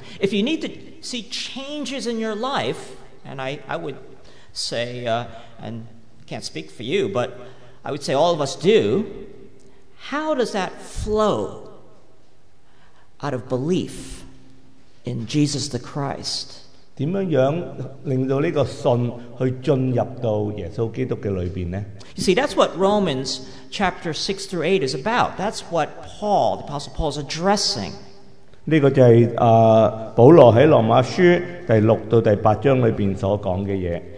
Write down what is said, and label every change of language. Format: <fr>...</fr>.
<en>？If you need to see changes in your life, and I would. Say, and can't speak for you, but I would say all of us do. How does that flow out of belief in Jesus the Christ?</en> <zh>怎样令到这个信去进入到耶稣基督的里面呢?</zh> <en>You see, that's what Romans chapter 6 through 8 is about. That's what Paul, the Apostle Paul, is addressing.</en> <zh>这个就是保罗在罗马书第六到第八章里面所讲的东西。</zh>